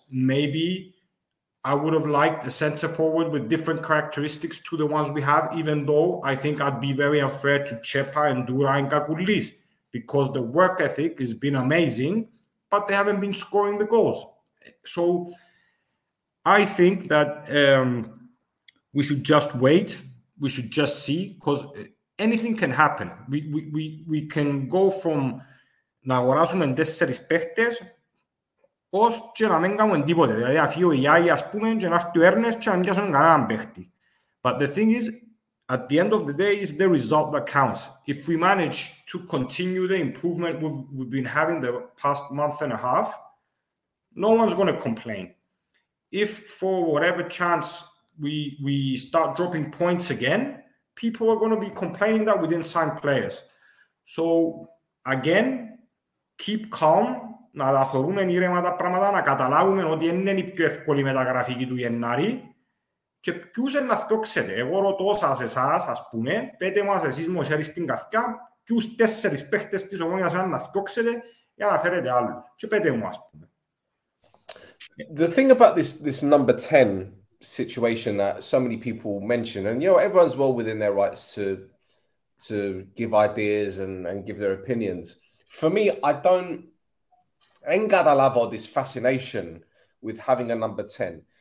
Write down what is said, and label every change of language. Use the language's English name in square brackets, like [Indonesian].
[English] Maybe I would have liked a center forward with different characteristics to the ones we have, even though I think I'd be very unfair to Chepa and Durain Gagulis, because the work ethic has been amazing, but they haven't been scoring the goals. So I think that we should just wait. We should just see, because anything can happen. We can go from [Greek] να αγοράσουμε 4 παίχτες ως και να μην κάνουμε τίποτε. Δηλαδή να φύγει ο Ιάη, ας πούμε, και να έρθει ο Έρνες και να μην πιάσουν κανέναν παίχτη. [English] But the thing is, at the end of the day, is the result that counts. If we manage to continue the improvement we've been having the past month and a half, no one's going to complain. If for whatever chance we start dropping points again, people are going to be complaining that we didn't sign players. So, again, keep calm, [Greek] να τα θεωρούμε ήρεμα τα πράγματα, να καταλάβουμε ότι είναι η πιο εύκολη μεταγραφική του Γενάρη και ποιους είναι να θεωρήσετε. Εγώ ρωτώ σας εσάς, ας πούμε, πέτε μας εσείς μου χέρι στην καρδιά, ποιους 4 παίχτες της Ομόνιας να θεωρήσετε για να φέρετε άλλους. Και πέτε μου, ας πούμε. [English] The thing about this number 10 situation that so many people mention, and you know, everyone's well within their rights to give ideas and give their opinions. For me, I don't engadalavo this fascination with having a number 10.